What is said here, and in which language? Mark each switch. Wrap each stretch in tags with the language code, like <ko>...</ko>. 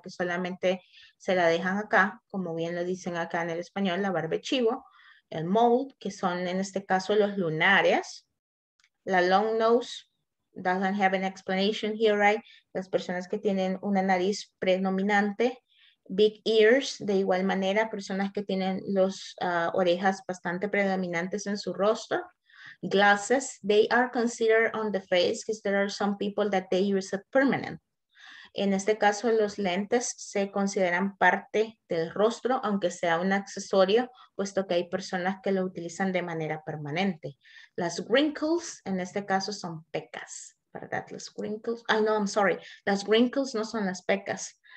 <es>Que solamente se la dejan acá, como bien lo dicen acá en el español, la barba chivo, el mold, que son en este caso los lunares, la</es> <en>long nose, doesn't have an explanation here, right?</en> <es>Las personas que tienen una nariz predominante,</es> <en>big ears,</en> <es>de igual manera, personas que tienen las orejas bastante predominantes en su rostro.</es> <en>Glasses, they are considered on the face because there are some people that they use it permanent.</en> <es>En este caso, los lentes se consideran parte del rostro, aunque sea un accesorio, puesto que hay personas que lo utilizan de manera permanente. Las wrinkles, en este caso, son pecas, ¿verdad? Las wrinkles, ay, no,</es> <en>I'm sorry,</en> <es>las wrinkles no son las pecas.</es>